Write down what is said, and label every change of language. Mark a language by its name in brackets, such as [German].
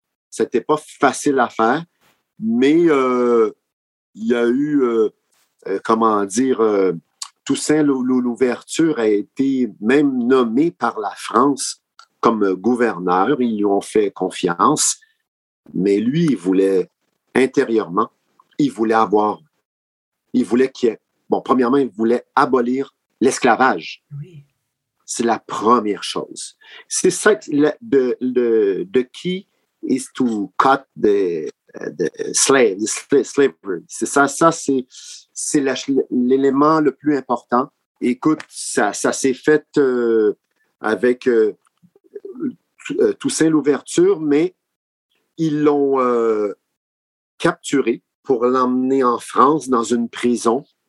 [French] Ce n'était pas facile à faire, mais il y a eu, comment dire, Toussaint l'Ouverture a été même nommé par la France comme gouverneur. Ils lui ont fait confiance, mais lui, il voulait intérieurement, il voulait avoir. Il voulait qu'il y ait, bon, premièrement, il voulait abolir l'esclavage. Oui. C'est la première chose. C'est ça, [English] the key is to cut the slavery. [French] C'est ça, c'est l'élément le plus important. Écoute, ça s'est fait avec Toussaint l'Ouverture, mais ils l'ont capturé pour l'emmener en France dans une prison.